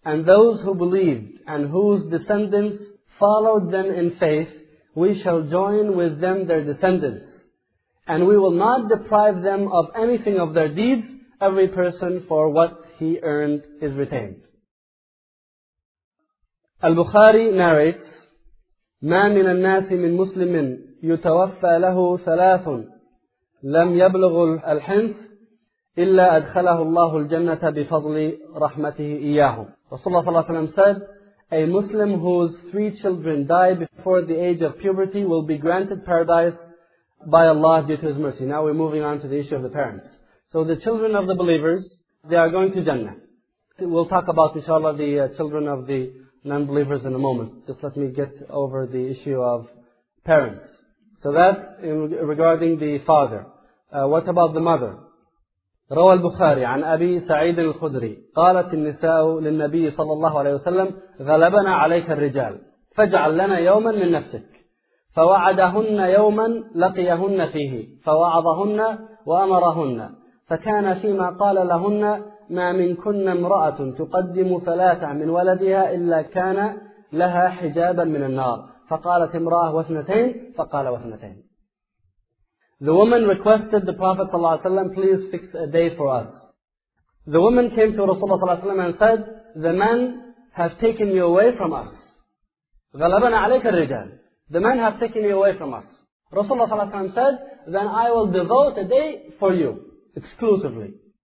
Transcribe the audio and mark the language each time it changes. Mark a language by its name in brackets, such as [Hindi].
[English] And those who believed and whose descendants followed them in faith, we shall join with them their descendants. And we will not deprive them of anything of their deeds, every person for what he earned is retained. Al-Bukhari narrates, [Arabic] مَا مِنَ النَّاسِ مِنْ مُسْلِمٍ يُتَوَفَّى لَهُ ثَلَاثٌ لَمْ يَبْلُغُ الْحِنْثِ إِلَّا أَدْخَلَهُ اللَّهُ الْجَنَّةَ بِفَضْلِ رَحْمَتِهِ إِيَّاهُ. [English] Rasulullah [Arabic] صلى الله عليه وسلم [English] said, a Muslim whose three children die before the age of puberty will be granted paradise by Allah due to His mercy. Now we're moving on to the issue of the parents. So the children of the believers, they are going to Jannah. We'll talk about, inshallah, the children of the non-believers in a moment. Just let me get over the issue of parents. So that's regarding the father. What about the mother? [Arabic] روى البخاري عن أبي سعيد الخدري قالت النساء للنبي صلى الله عليه وسلم غلبنا عليك الرجال فاجعل لنا يوما من نفسك فوعدهن يوما لقيهن فيه فوعظهن وأمرهن فكان فيما قال لهن ما منكن امرأة تقدم ثلاثة من ولدها إلا كان لها حجابا من النار فقالت امرأة واثنتين فقال واثنتين. [English] The woman requested the Prophet ﷺ, please fix a day for us. The woman came to Rasulullah ﷺ and said, the men have taken you away from us. [Arabic] غَلَبَنَا عَلَيْكَ الرِّجَالِ. [English] The men have taken you away from us. Rasulullah ﷺ said, then I will devote a day for you, exclusively.